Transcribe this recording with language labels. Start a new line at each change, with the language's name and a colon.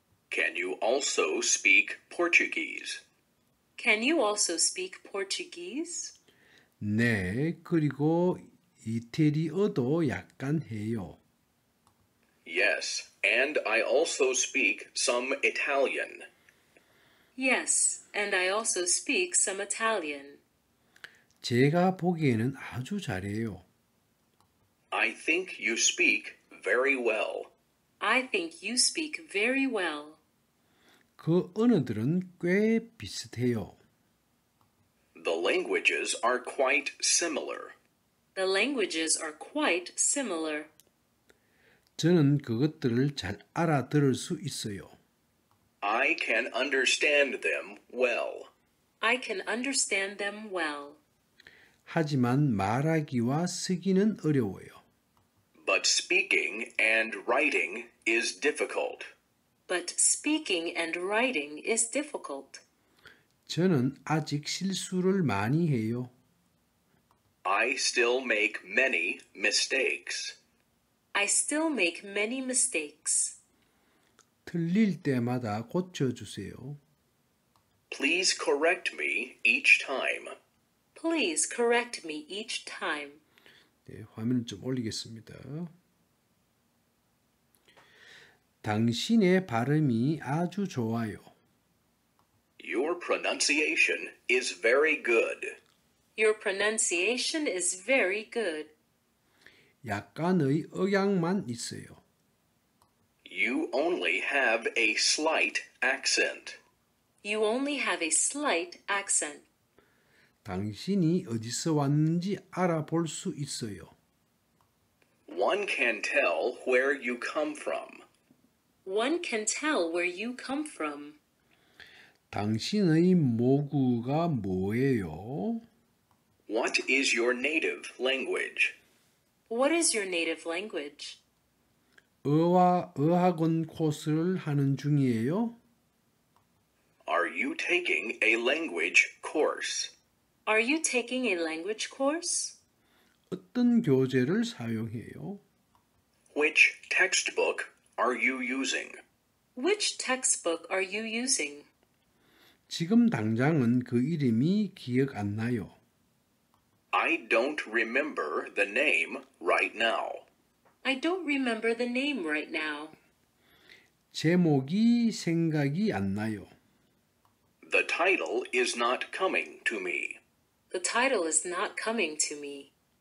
English: Can you also speak Portuguese? Can you also speak Portuguese?
Korean: 네, 그리고 이태리어도 약간 해요.
English: Yes, and I also speak some Italian. Yes, and I also speak some Italian.
Korean: 제가 보기에는 아주 잘해요.
English: I think you speak very well. I think you speak very well.
Korean: 그 언어들은 꽤 비슷해요.
English: The languages are quite similar. The languages are quite similar.
Korean: 저는 그것들을 잘 알아들을 수 있어요.
English: I can understand them well. I can understand them well.
Korean: 하지만 말하기와 쓰기는 어려워요.
English: But speaking and writing is difficult. But speaking and writing is difficult.
Korean: 저는 아직 실수를 많이 해요.
English: I still make many mistakes. I still make many mistakes.
Korean: 틀릴 때마다 고쳐주세요.
English: Please correct me each time. Please correct me each time.
Korean: 네, 화면을 좀 올리겠습니다. 당신의 발음이 아주 좋아요.
English: Your pronunciation is very good. Your pronunciation is very good.
Korean: 약간의 억양만 있어요.
English: You only have a slight accent. You only have a slight accent.
Korean: 당신이 어디서 왔는지 알아볼 수 있어요.
English: One can tell where you come from. One can tell where you come from.
Korean: 당신의 모국어가 뭐예요?
English: What is your native language? What is your native language?
Korean: 어학원 코스를 하는 중이에요.
English: Are you taking a language course? Are you taking a language course?
Korean: 어떤 교재를 사용해요?
English: Which textbook are you using? Which textbook are you using?
Korean: 지금 당장은 그 이름이 기억 안 나요.
English: I don't remember the name right now. I don't remember the name right now.
Korean: 제목이 생각이 안 나요.
English: The title is not coming to me. The title is not coming to me.